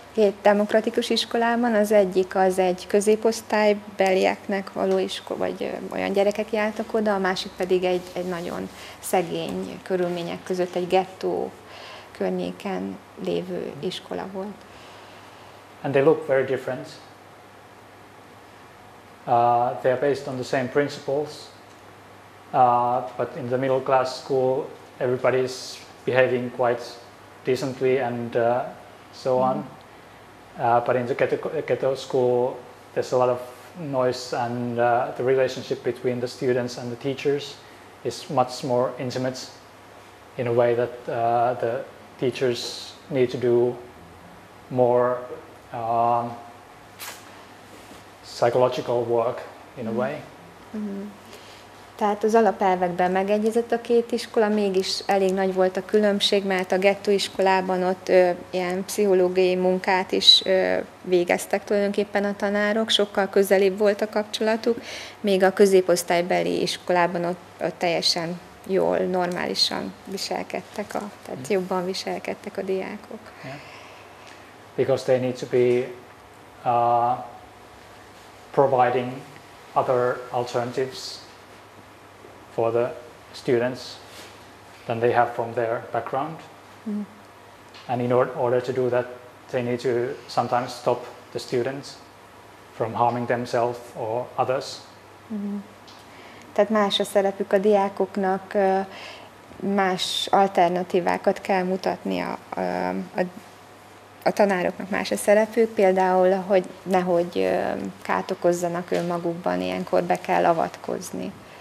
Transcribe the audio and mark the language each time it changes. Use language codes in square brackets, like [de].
[hu] Két demokratikus iskolában, az egyik az egy középosztálybelieknek való iskola, vagy olyan gyerekek jártak oda, a másik pedig egy nagyon szegény körülmények között, egy gettó környéken lévő iskola volt. [en] And they look very different. they are based on the same principles, but in the middle class school everybody is behaving quite decently and so on. But in the ghetto school there's a lot of noise, and the relationship between the students and the teachers is much more intimate, in a way that the teachers need to do more psychological work in a way. Mm-hmm. [hu] Tehát az alapelvekben megegyezett a két iskola, mégis elég nagy volt a különbség, mert a gettó iskolában ott ilyen pszichológiai munkát is végeztek tulajdonképpen a tanárok, sokkal közelebb volt a kapcsolatuk, még a középosztálybeli iskolában ott teljesen jól, normálisan viselkedtek, tehát jobban viselkedtek a diákok. [en] Yeah. Because they need to be providing other alternatives for the students than they have from their background. Mm. And in order to do that, they need to sometimes stop the students from harming themselves or others. Mm. [hu] Tehát más a szerepük a diákoknak, más alternatívákat kell mutatni a tanároknak, más a szerepük, például, hogy nehogy kárt okozzanak önmagukban, ilyenkor be kell avatkozni.